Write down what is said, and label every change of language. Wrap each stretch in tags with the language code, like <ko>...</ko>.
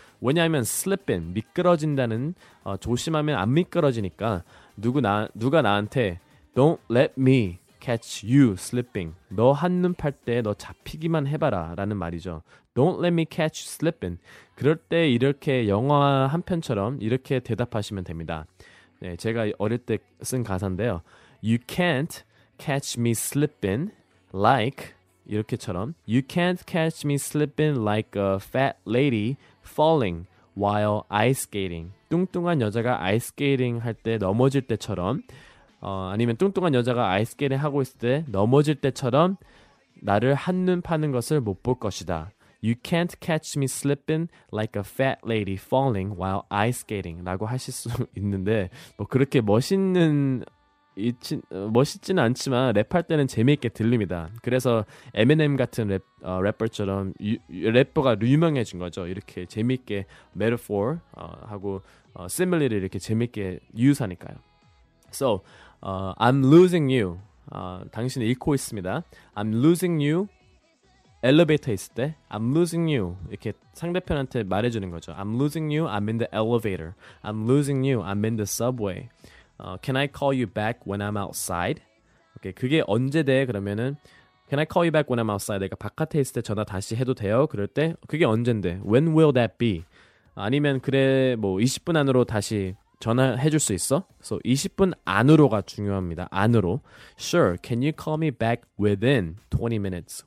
<ko>왜냐하면 slipping, 미끄러진다는 조심하면 안 미끄러지니까 누가 나한테</ko> <en>Don't let me catch you slipping.</en> <ko>너 한눈 팔 때 너 잡히기만 해봐라 라는 말이죠.</ko> <en>Don't let me catch you slipping.</en> <ko>그럴 때 이렇게 영화 한 편처럼 이렇게 대답하시면 됩니다. 네, 제가 어릴 때 쓴 가사인데요.</ko> <en>You can't catch me slipping like 이렇게처럼 You can't catch me slipping like a fat lady falling while ice skating.</en> <ko>뚱뚱한 여자가 ice skating 할 때 넘어질 때처럼 아니면 뚱뚱한 여자가 아이스케이팅 하고 있을 때 넘어질 때처럼 나를 한눈 파는 것을 못 볼 것이다.</ko> <en>You can't catch me slipping like a fat lady falling while ice skating</en> <ko>라고 하실 수 있는데 뭐 그렇게 멋있진 않지만 랩할 때는 재미있게 들립니다. 그래서 Eminem 같은 래퍼처럼 래퍼가 유명해진 거죠. 이렇게 재미있게 metaphor 하고 simile를 이렇게 재미있게 유사니까요.</ko> <en>So, I'm losing you.</en> <ko>당신을 잃고 있습니다.</ko> <en>I'm losing you.</en> <ko>엘리베이터 있을 때</ko> <en>I'm losing you.</en> <ko>이렇게 상대편한테 말해주는 거죠.</ko> <en>I'm losing you. I'm in the elevator. I'm losing you. I'm in the subway. Can I call you back when I'm outside?</en> <ko>Okay, 그게 언제 돼?</ko> <en>그러면은 Can I call you back when I'm outside?</en> <ko>내가 바깥에 있을 때 전화 다시 해도 돼요? 그럴 때 그게 언젠데?</ko> <en>When will that be?</en> <ko>아니면 그래 뭐 20분 안으로 다시 전화해줄 수 있어? So 20분 안으로가 중요합니다. 안으로.</ko> <en>Sure, can you call me back within 20 minutes?</en>